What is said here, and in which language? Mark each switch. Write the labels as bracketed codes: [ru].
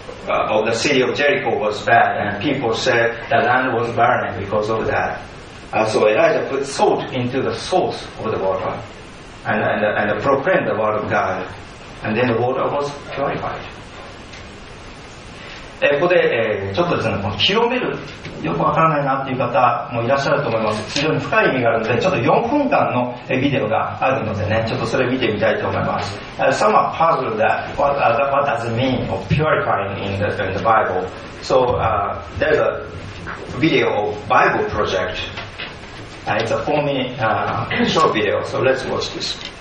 [en] of the city of Jericho was bad, and people said the land was barren because of that. So Elijah put salt into the source of the water, and proclaimed the word of God, and then the water was purified. [ja] ここで、ちょっとですね、この清める、よくわからないなっていう方もいらっしゃると思います。非常に深い意味があるので、ちょっと4分間のビデオがあるのでね、ちょっとそれを見てみたいと思います。 [en] Some are puzzled that what does it mean of purifying in the Bible. So, there's a video of Bible Project. It's a 4-minute short video, so let's watch this.